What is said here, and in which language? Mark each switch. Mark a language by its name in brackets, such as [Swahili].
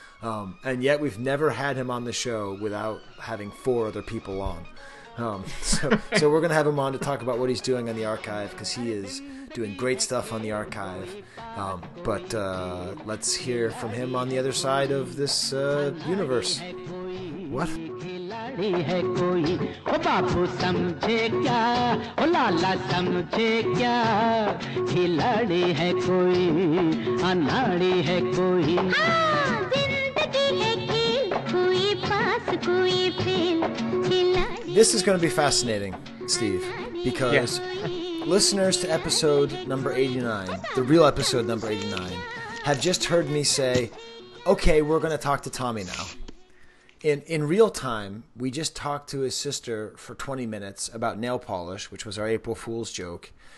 [English] And yet we've never had him on the show without having four other people on. So we're going to have him on to talk about what he's doing on the archive, because he is doing great stuff on the archive. But let's hear from him on the other side of this universe. What? [Hindi] है कोई ओ बापू समझे क्या ओ लाला समझे क्या खिलाड़ी है कोई अनाड़ी है कोई जिंदगी है खेल कोई पास कोई फेल खिलाड़ी. [English] This is going to be fascinating, Steve, because yeah. Listeners to episode number 89, the real episode number 89, have just heard me say, okay, we're going to talk to Tommy now. In real time, we just talked to his sister for 20 minutes about nail polish, which was our April Fool's joke.